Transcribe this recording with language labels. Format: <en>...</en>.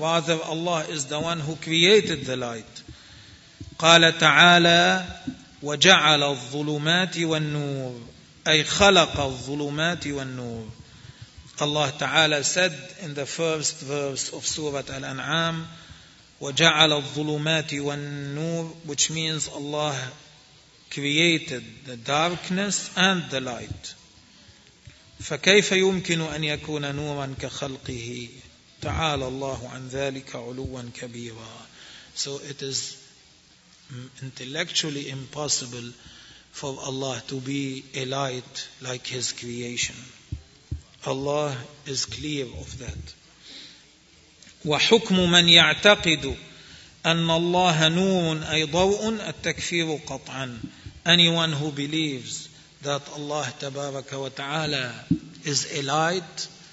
<en>Rather, Allah is the one who created the light.</en> <ar>قال تعالى وجعل الظلمات والنور أي خلق الظلمات والنور.</ar> <en>Allah تعالى said in the first verse of Surah Al-An'am</en> <ar>وجعل الظلمات والنور,</ar> <en>which means Allah created the darkness and the light.</en> <ar>فكيف يمكن أن يكون نورا كخلقه تعالى الله عن ذلك علوا كبيرا.</ar> <en>So it is intellectually impossible for Allah to be a light like His creation. Allah is clear of that.</en> <ar>وحكم من يعتقد أن الله نور أي ضوء التكفير قطعا.</ar> <en>Anyone who believes that Allah تبارك وتعالى is a light,</en>